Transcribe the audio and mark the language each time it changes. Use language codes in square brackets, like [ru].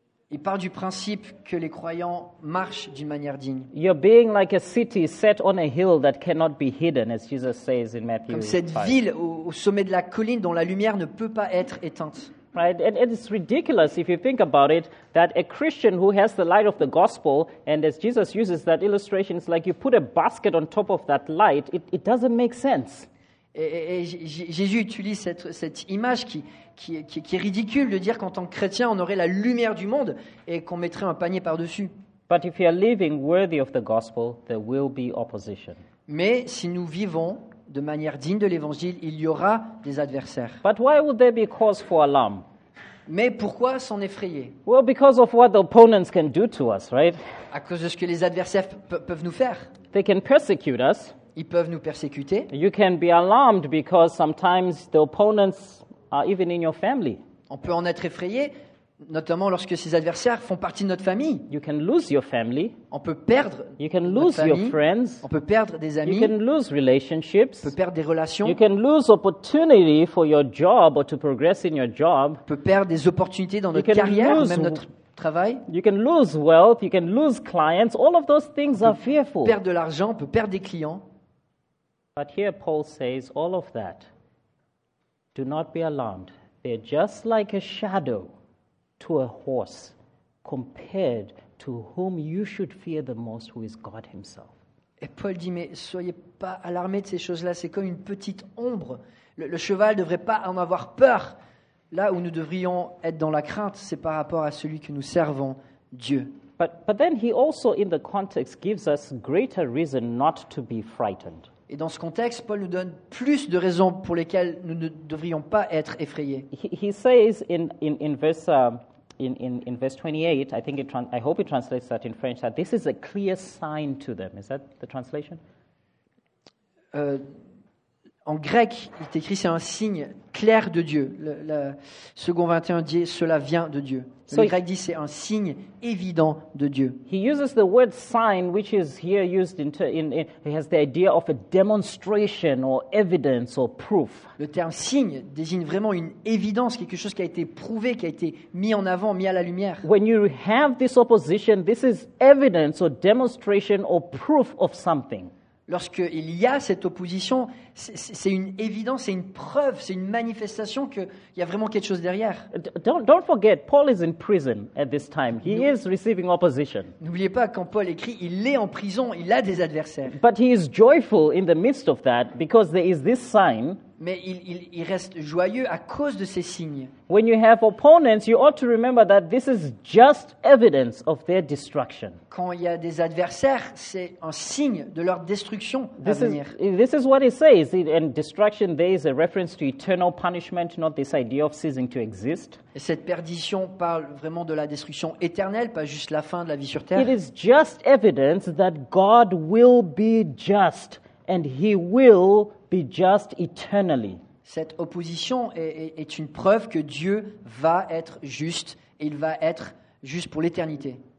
[fr] Il part du principe que les croyants marchent d'une manière digne. [en] You're being like a city set on a hill that cannot be hidden, as Jesus says in Matthew 5. [fr] Comme cette ville au sommet de la colline dont la lumière ne peut pas être éteinte. [en] Right, and it's ridiculous if you think about it that a Christian who has the light of the gospel, and as Jesus uses that illustration, it's like you put a basket on top of that light. It doesn't make sense. [fr] Et Jésus utilise cette image qui est ridicule de dire qu'en tant que chrétien on aurait la lumière du monde et qu'on mettrait un panier par-dessus. [en] But if you are living worthy of the gospel, there will be opposition. [fr] Mais si nous vivons de manière digne de l'évangile, il y aura des adversaires. [en] But why would there be cause for alarm? [fr] Mais pourquoi s'en effrayer? [en] Well, because of what the opponents can do to us, right? [fr] À cause de ce que les adversaires peuvent nous faire. [en] They can persecute us. [fr] Ils peuvent nous persécuter. [en] You can be alarmed because sometimes the opponents are even in your family. [fr] On peut en être effrayé, notamment lorsque ces adversaires font partie de notre famille. [en] You can lose your family. [fr] On peut perdre [en] you can lose [fr] notre famille. [en] Your friends. [fr] On peut perdre des amis. [en] You can lose relationships. [fr] On peut perdre des relations. [en] You can lose opportunity for your job or to progress in your job. [fr] On peut perdre des opportunités dans notre carrière ou même notre travail. [en] You can lose wealth, you can lose clients. All of those things are fearful. [fr] On peut perdre de l'argent, on peut perdre des clients. [en] But here Paul says all of that. Do not be alarmed. They're just like a shadow to a horse compared to whom you should fear the most, who is God himself. [fr] Et Paul dit, mais soyez pas alarmés de ces choses-là, c'est comme une petite ombre Le cheval ne devrait pas en avoir peur. Là où nous devrions être dans la crainte, c'est par rapport à celui que nous servons, Dieu. [en] But then he also, in the context, gives us greater reason not to be frightened. [fr] Et dans ce contexte, Paul nous donne plus de raisons pour lesquelles nous ne devrions pas être effrayés. [en] He says in verse 28, I think I hope it translates that in French, that this is a clear sign to them. Is that the translation? [fr] En grec, il est écrit, c'est un signe clair de Dieu. Le second 21 dit, cela vient de Dieu. Le grec dit, c'est un signe évident de Dieu. [en] He uses the word sign, which is here used he has the idea of a demonstration or evidence or proof. [fr] Le terme signe désigne vraiment une évidence, quelque chose qui a été prouvé, qui a été mis en avant, mis à la lumière. [en] When you have this opposition, this is evidence or demonstration or proof of something. [fr] Lorsqu'il y a cette opposition, c'est une évidence, c'est une preuve, c'est une manifestation qu'il y a vraiment quelque chose derrière. [en] Don't forget, Paul is in prison at this time. He is receiving opposition. [fr] N'oubliez pas, quand Paul écrit, il est en prison, il a des adversaires. [en] But he is joyful in the midst of that because there is this sign. [fr] Mais il reste joyeux à cause de ces signes. [en] When you have opponents, you ought to remember that this is just evidence of their destruction. [fr] Quand il y a des adversaires, c'est un signe de leur destruction [en] this [fr] à venir. [en] This is what it says. And destruction there is a reference to eternal punishment, not this idea of ceasing to exist. [fr] Et cette perdition parle vraiment de la destruction éternelle, pas juste la fin de la vie sur terre. [en] It is just evidence that God will be just and he will be just eternally. [fr] Cette opposition est une preuve que Dieu va être juste et il va être juste pour l'éternité.